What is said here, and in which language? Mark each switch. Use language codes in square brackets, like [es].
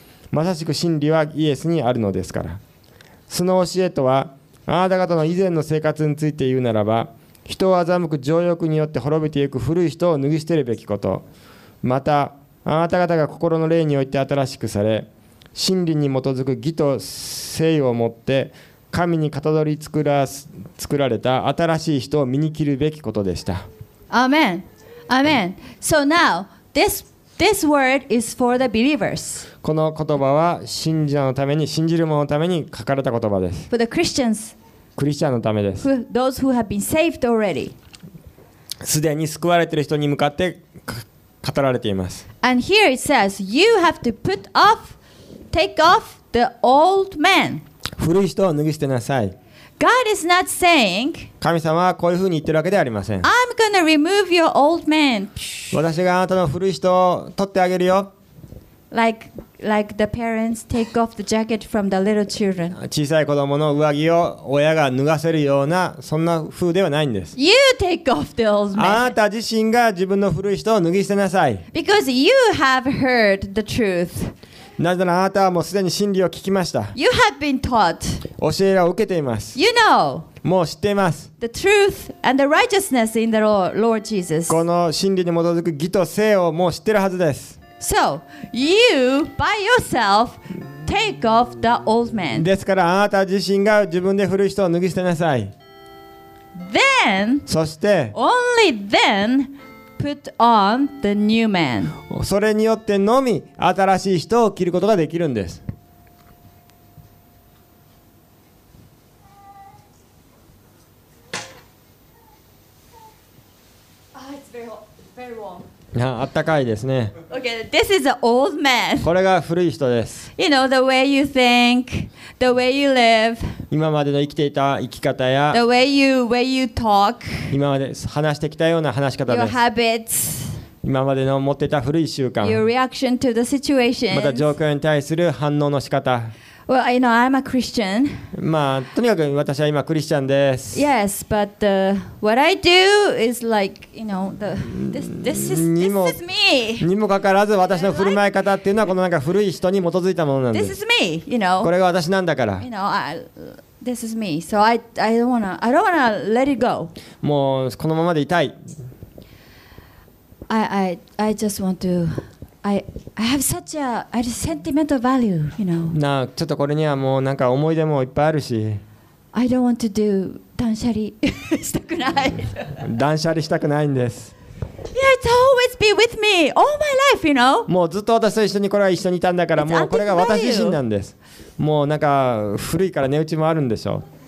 [ja] まさしく真理はイエスにあるのですから。その教えとはあなた方の以前の生活について言うならば、人を欺く情欲によって滅びていく古い人を脱ぎ捨てるべきこと、またあなた方が心の霊において新しくされ、真理に基づく義と誠意をもって神にかたどり作られた新しい人を身に着るべきことでした。アーメン、アーメン。 [en] So now this word is for the believers. [ja] この言葉は信者のために、信じる者のために書かれた言葉です。 [en] For the Christians [ja] クリスチャンのためです。 [en] Those who have been saved already. [ja] すでに救われている人に向かって語られています。 [en] And here it says, you have to put off, take off the old man. [ja] 古い人を脱ぎ捨てなさい。 [en] God is not saying, [ja] 神様はこういうふうに言ってるわけではありません。 [en] I'm gonna remove your old man. [ja] 私があなたの古い人を取ってあげるよ。 [en] Like the parents take off the jacket from the little children. [ja] 小さい子供の上着を親が脱がせるようなそんな風ではないんです。 [en] You take off the old man. [ja] あなた自身が自分の古い人を脱ぎ捨てなさい。 [en] Because you have heard the truth. [ja] なぜならあなたはもうすでに真理を聞きました。 [en] You have been taught. [ja] 教えを受けています。 [en] You know. [ja] もう知っています。 [en] The truth and the righteousness in the Lord Jesus. [ja] この真理に基づく義と正をもう知ってるはずです。 [en] So, you by yourself take off the old man. [ja] ですからあなた自身が自分で古い人を脱ぎ捨てなさい。 [en] Then, [ja] そして、 [en] only then put on the new man. [ja] それによってのみ新しい人を着ることができるんです。 [en] Ah, it's very [ja] あったかいですね。 [en] Okay, this is an old man. [ja] これが古い人です。 [en] You know, the way you think, the way you live. [ja] 今までの生きていた生き方や、 [en] the way you talk. [ja] 今まで話してきたような話し方です。 [en] Your habits. [ja] 今までの持っていた古い習慣。 [en] Your reaction to the situation. [ja] また状況に対する反応の仕方。 [en] Well, you know, I'm a Christian. [ja] まあ、とにかく私は今クリスチャンです。 [en] Yes, but what I do is like, you know, this is me. [ja] にもかかわらず私の振る舞い方っていうのはこのなんか古い人に基づいたものなんです。 [en] This is me, you know. [ja] これが私なんだから。 [en] You know, this is me. So I don't wanna let it go. [ja] もうこのままでいたい。 [en] I just want to. I have such a sentimental value, you know. [ja] なあ、ちょっとこれにはもうなんか思い出もいっぱいあるし。 [en] I don't want to do [ja] 断捨離したくない。断捨離したくないんです。 [en] Yeah, it's always be with me all my life, you know. [ja] もうずっと私と一緒にこれは一緒にいたんだから、もうこれが私自身なんです。もうなんか古いから値打ちもあるんでしょう。